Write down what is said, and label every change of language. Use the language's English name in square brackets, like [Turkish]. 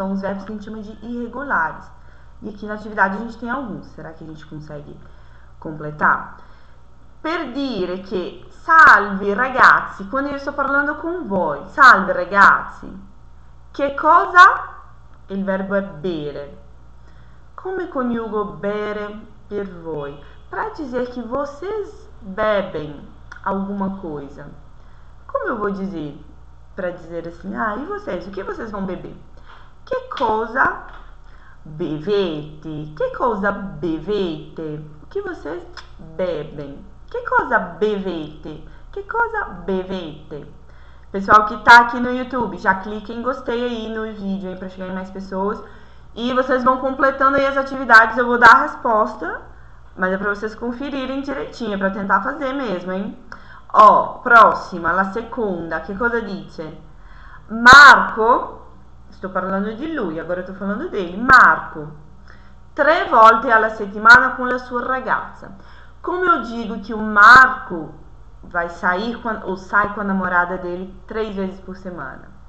[Portuguese] São os verbos que a gente chama de irregulares. E aqui na atividade a gente tem alguns. Será que a gente consegue completar? [Italian] Per dire che salve ragazzi, quando io sto parlando con voi, salve ragazzi, che cosa? Il verbo è bere. Come coniugo bere per voi? [Portuguese] Para dizer che vocês bebem alguma coisa. Come eu vou dizer? para dizer assim: ah, e vocês, o que vocês vão beber? [Italian] Que cosa bevete? Que cosa bevete? [Portuguese] O que vocês bebem? [Italian] Que cosa bevete? Que cosa bevete? [Portuguese] Pessoal que tá aqui no YouTube, já clica em gostei aí no vídeo aí para chegar em mais pessoas. E vocês vão completando aí as atividades, eu vou dar a resposta, mas é para vocês conferirem direitinho, para tentar fazer mesmo, hein? Ó, próxima, [Italian] la seconda, que cosa dice? Marco, sto parlando di lui, [Portuguese] agora sto falando dele. [Italian] Marco, 3 volte alla settimana con la sua ragazza. [Portuguese] Come eu digo que o Marco vai sair com, ou sai com a namorada dele 3 vezes por semana?